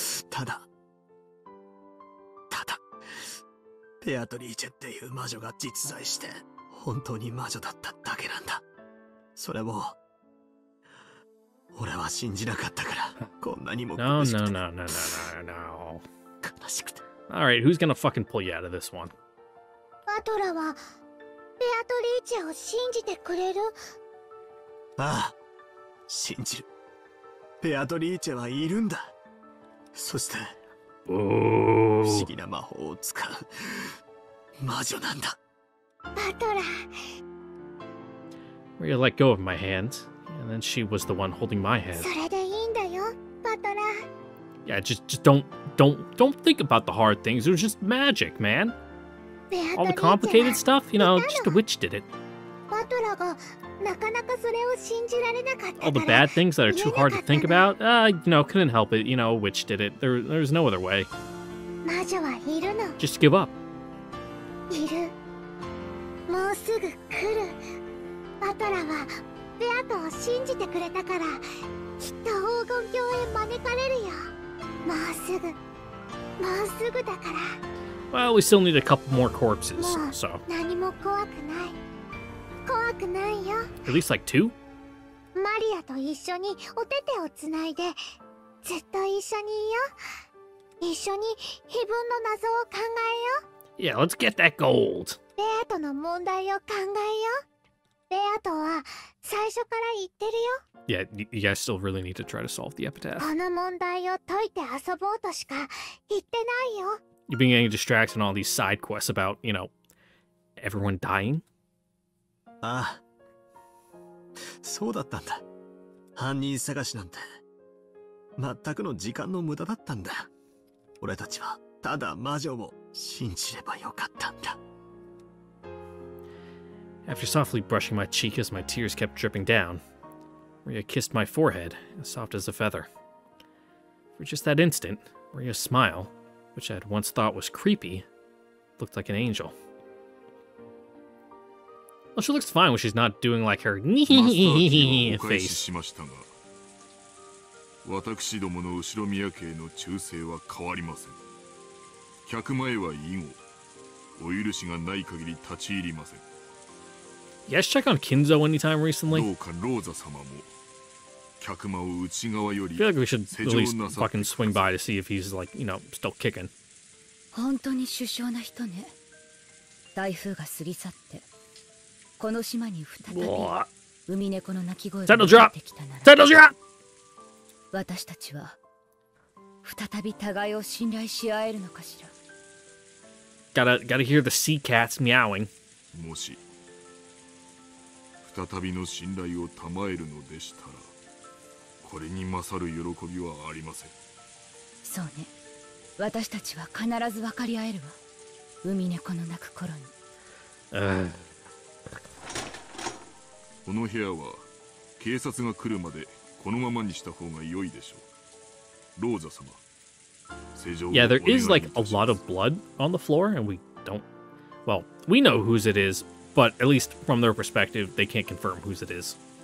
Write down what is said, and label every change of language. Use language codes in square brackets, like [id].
[ja] ただ、ただ、ベアトリーチェっていう魔女が実在して、本当に魔女だっただけなんだ。それも、俺は信じなかったから、こんなにも苦しくて。 [en] No, no, no, no, no, no, no. [ja] 悲しくて。 [en] All right, who's gonna fucking pull you out of this one? [ja] バトラは、ベアトリーチェを信じてくれる？ああ、信じる。ベアトリーチェはいるんだ。そして、不思議な魔法を使う魔女なんだ。バトラ。 [en] Maria let go of my hand, and then she was the one holding my hand. [ja] それでいいんだよ、バトラ。 [en] Yeah, just don't think about the hard things. It was just magic, man. All the complicated stuff, you know, just a witch did it. [ja] バトラがなかなかそれを信じられなかったから。 [en] All the bad things that are too hard to think about, you know, couldn't help it. You know, a witch did it. There's no other way. [ja] 魔女はいるの。 [en] Just give up. [ja] いる。もうすぐ来る。バトラはベアトを信じてくれたから、きっと黄金鏡へ招かれるよ。もうすぐ。もうすぐだから。 [en] Well, we still need a couple more corpses, so. [ja] もう何も怖くない。怖くないよ。 [en] At least like two? [ja] マリアと一緒にお手手をつないで、ずっと一緒にいよ。一緒に碑文の謎を考えよ。 [en] Yeah, let's get that gold. [ja] ベアトの問題を考えよ。ベアトは最初から言ってるよ。 [en] Yeah, you guys still really need to try to solve the epitaph. [ja] この問題を解いて遊ぼうとしか言ってないよ。 [en] You've been getting distracted on all these side quests about, you know, everyone dying? [ja] ああ。そうだったんだ。犯人探しなんて、全くの時間の無駄だったんだ。俺たちは、ただ魔女を信じればよかったんだ。 [en] After softly brushing my cheek as my tears kept dripping down, Maria kissed my forehead, as soft as a feather. For just that instant, Maria's smile, which I had once thought was creepy, looked like an angel. Well, she looks fine when she's not doing like her face. You guys check on Kinzo anytime recently? [ja] どうかローザ様も客間を内側より [en] I feel like we should at least fucking swing by to see if he's like, you know, still kicking. [ja] 本当に殊勝な人ね。台風が過ぎ去って、この島に再び海猫の鳴き声が出てきたなら、 [en] Title drop! [ja] 私たちは再び互いを信頼し合えるのかしら。 [en] Gotta hear the sea cats meowing. [ja] もし再びの信頼を賜るのでしたら、これに勝る喜びはありません。そうね。私たちは必ず分かり合えるわ。海猫の鳴く頃に。この部屋は警察が来るまでこのままにした方が良いでしょう。ローザ様、施錠 [en] を。Yeah, there is like a lot of blood on the floor, and we don't. Well, we know whose it is. But at least from their perspective, they can't confirm whose it is.